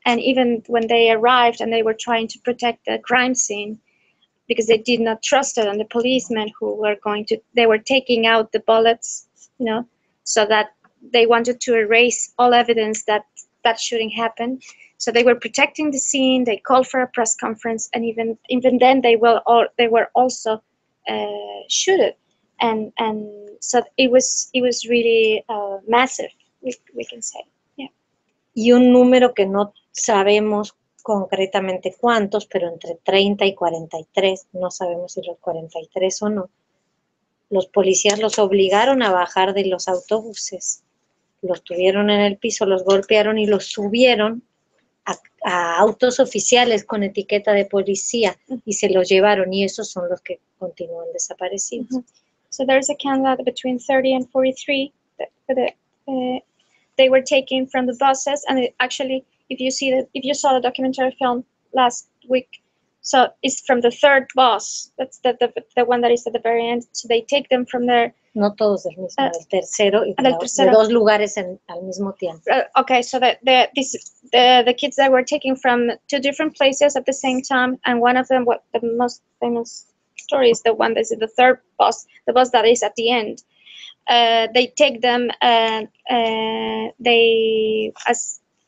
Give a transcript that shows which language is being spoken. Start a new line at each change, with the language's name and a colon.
English: And even when they arrived and they were trying to protect the crime scene, because they did not trust it, and the policemen who were going to, they were taking out the bullets, you know, so that they wanted to erase all evidence that that shooting happened. So they were protecting the scene, they called for a press conference, and even then they were also shoot it. And so it was really massive, we can say, yeah.
Spanish: Y un número que no sabemos concretamente cuántos, pero entre 30 y 43, no sabemos si los 43 o no, los policías los obligaron a bajar de los autobuses, los tuvieron en el piso, los golpearon y los subieron a autos oficiales con etiqueta de policía y se los llevaron, y esos son los que continúan desaparecidos.
English: So there's a count that between 30 and 43 they were taken from the buses, and it actually, if you saw the documentary film last week, so it's from the third bus. That's the one that is at the very end. So they take them from there.
Spanish: No todos del mismo, el tercero y el tercero. De dos lugares en, al mismo tiempo.
English: Okay, so the kids that were taken from two different places at the same time, and one of them, what the most famous story is the one that's in the third bus, the bus that is at the end. They take them, they as